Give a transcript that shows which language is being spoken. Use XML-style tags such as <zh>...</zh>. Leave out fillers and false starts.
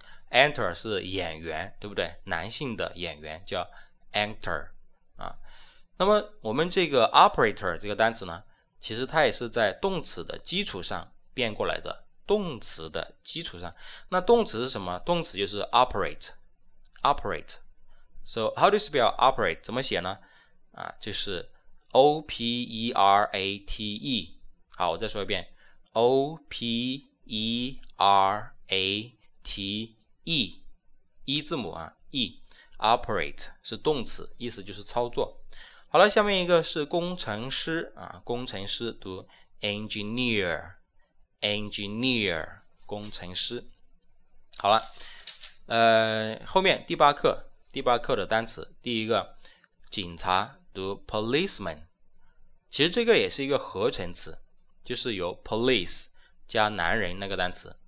<zh>Actor 是演员，对不对？男性的演员叫 actor 啊。那么我们这个 operator 这个单词呢，其实它也是在动词的基础上变过来的，动词的基础上。那动词是什么？动词就是 operate。</zh> <en>So how do you spell operate？</en> <zh>怎么写呢？啊，就是 o p e r a t e。好，我再说一遍 ，o p e r a t。 E 字母啊 ，E operate 是动词，意思就是操作。好了，下面一个是工程师啊，工程师读 engineer 工程师。好了，后面第八课的单词，第一个警察读 policeman， 其实这个也是一个合成词，就是由 police 加男人那个单词。</zh>